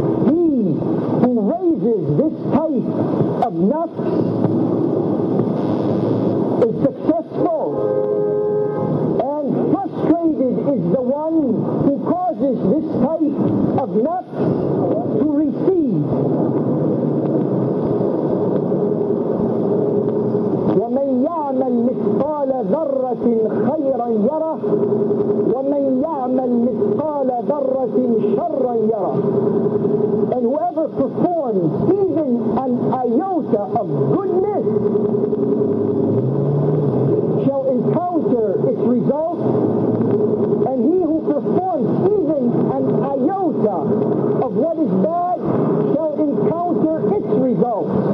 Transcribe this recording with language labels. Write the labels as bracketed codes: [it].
[en] He who raises this type of nafs is successful, and frustrated is the one who causes this type of nafs to recede. [ar] وَمَنْ يَعْمَلْ مِثْقَالَ ذَرَّةٍ خَيْرًا يَرَهُ وَمَنْ يَعْمَلْ مِثْقَالَ ذَرَّةٍ شَرًّا يَرَهُ. [en] And whoever performs one, even an iota of goodness, shall encounter its result, and he who performs even an iota of what is bad shall encounter its result.